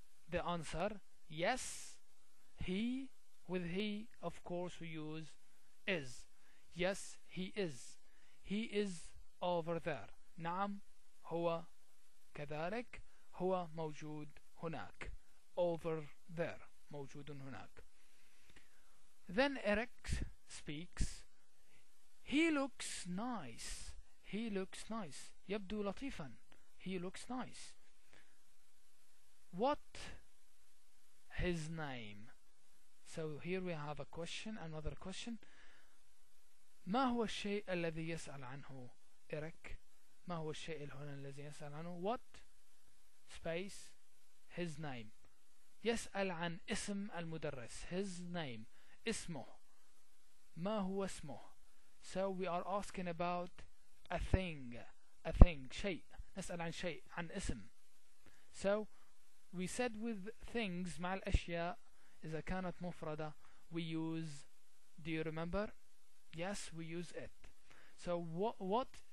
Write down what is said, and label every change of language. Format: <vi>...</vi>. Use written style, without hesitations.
<en>The answer, yes, he, with he of course we use is. Yes, he is. He is over there.</en> <ar>نعم, هو كذلك, هو موجود هناك.</ar> <en>Over there,</en> <ar>موجود هناك.</ar> <en>Then Eric speaks, he looks nice. He looks nice.</en> <ar>يبدو لطيفا.</ar> <en>He looks nice. What his name? So here we have a question, another question.</en> <ar>ما هو الشيء الذي يسأل عنه إريك؟ ما هو الشيء الذي يسأل عنه؟</ar> <en>What space his name.</en> <ar>يسأل عن اسم المدرس.</ar> <en>His name.</en> <ar>اسمه. ما هو اسمه؟</ar> <en>So we are asking about a thing. A thing.</en> <ar>شيء. نسأل عن شيء. عن اسم.</ar> <en>So we said with things</en> <ar>مع الأشياء إذا كانت مفردة</ar> <en>we use. Do you remember? Yes, we use it. So what?</en>